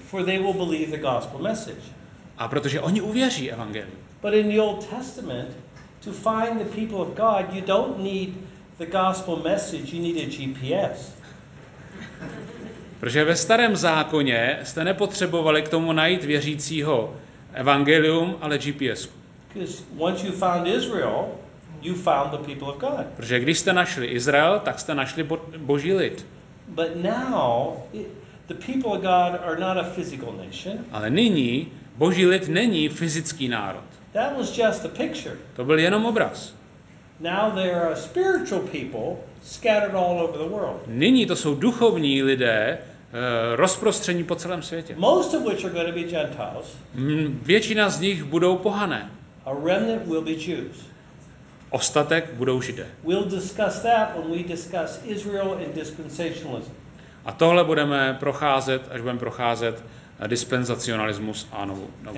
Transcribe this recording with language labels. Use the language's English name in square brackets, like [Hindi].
[English] For they will believe the gospel message. [Czech] A protože oni uvěří evangelium. [English] But in the Old Testament, to find the people of God, you don't need the gospel message, you need a GPS. [Czech] Protože ve starém zákoně jste nepotřebovali k tomu najít věřícího evangelium, ale GPS. [English] Because once you found Israel, you found the people of God. [Czech] Protože když jste našli Izrael, tak jste našli Boží lid. [English] But now the people of God are not a physical nation. [Czech] Ale nyní Boží lid není fyzický národ. [English] That was just a picture. [Czech] To byl jenom obraz. [English] Now there are spiritual people scattered all over the world. [Czech] Nyní to jsou duchovní lidé rozprostření po celém světě. [English] Most of which are going to be Gentiles. [Czech] Většina z nich budou pohané. [English] A remnant will be Jews. [Czech] Ostatek budou Židé. [English] We'll discuss that when we discuss Israel and dispensationalism. [Czech] A tohle budeme procházet, až budeme procházet dispenzacionalismus a novou smlouvu.